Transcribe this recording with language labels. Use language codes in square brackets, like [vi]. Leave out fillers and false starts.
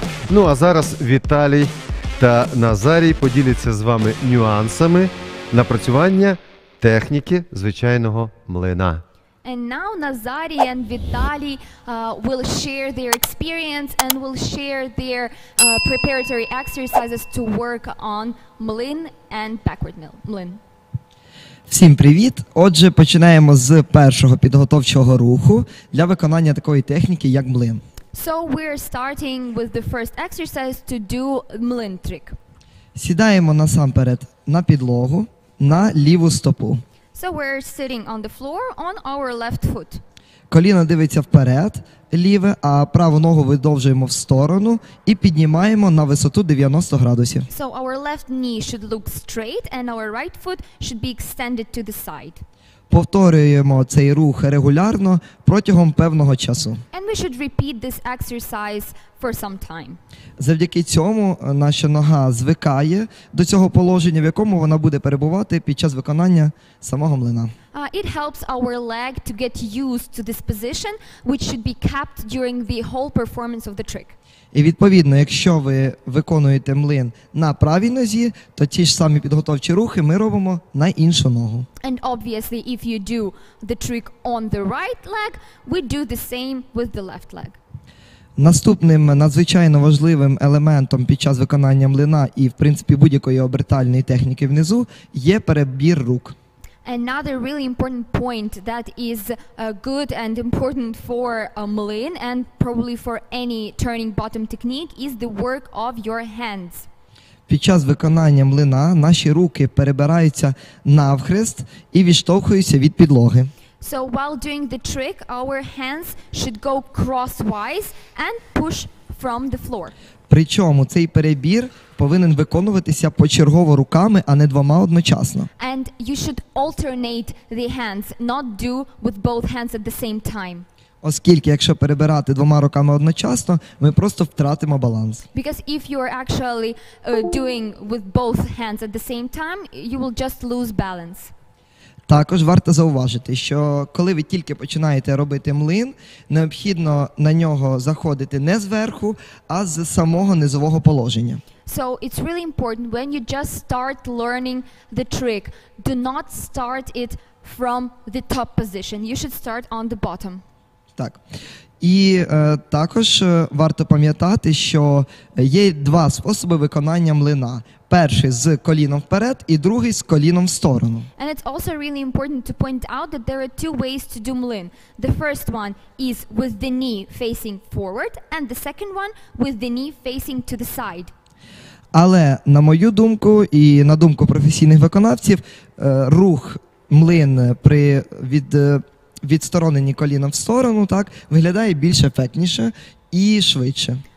[uk] Ну, а зараз Віталій та Назарій поділяться з вами нюансами напрацювання техніки звичайного млина. [en] And now Назарій and Віталій will share their experience and will share their preparatory exercises to work on млин and backward mill. [uk] Млин. Всім привіт! Отже, починаємо з першого підготовчого руху для виконання такої техніки, як млин. [en] So we're starting with the first exercise to do млин trick. [uk] Сідаємо насамперед на підлогу, на ліву стопу. [en] So we're sitting on the floor on our left foot. [uk] Коліно дивиться вперед, ліве, а праву ногу видовжуємо в сторону і піднімаємо на висоту 90 градусів. [en] So our left knee should look straight and our right foot should be extended to the side. [uk] Повторюємо цей рух регулярно протягом певного часу. [en] And we should repeat this exercise for some time. [uk] Завдяки цьому наша нога звикає до цього положення, в якому вона буде перебувати під час виконання самого млина. [en] It helps our leg to get used to this position, which should be kept during the whole performance of the trick. [uk] І відповідно, якщо ви виконуєте млин на правій нозі, то ті ж самі підготовчі рухи ми робимо на іншу ногу. [en] And obviously, if you do the trick on the right leg, we do the same with the left leg. [uk] Наступним надзвичайно важливим елементом під час виконання млина і, в принципі, будь-якої обертальної техніки внизу є перебір рук. [en] Another really important point that is good and important for a млин and probably for any turning bottom technique is the work of your hands. [uk] Під час виконання млина наші руки перебираються навхрест і відштовхуються від підлоги. [en] So while doing the trick, our hands should go crosswise and push from the floor. [uk] Причому цей перебір повинен виконуватися почергово руками, а не двома одночасно. [en] And you should alternate the hands, not do with both hands at the same time. [uk] Оскільки якщо перебирати двома руками одночасно, ми просто втратимо баланс. [en] Because if you are actually doing with both hands at the same time, you will just lose balance. [uk] Також варто зауважити, що коли ви тільки починаєте робити млин, необхідно на нього заходити не зверху, а з самого низового положення. [en] So it's really important when you just start learning the trick, do not start it from the top position. You should start on the bottom. [uk] Так. І також варто пам'ятати, що є два способи виконання млина. Перший з коліном вперед і другий з коліном в сторону. [en] And it's also really important to point out that there are two ways to do млин. The first one is with the knee facing forward and the second one with the knee facing to the side. [uk] Але, на мою думку і на думку професійних виконавців, рух млин при відстороненні коліном в сторону, так, виглядає більш ефектніше і швидше.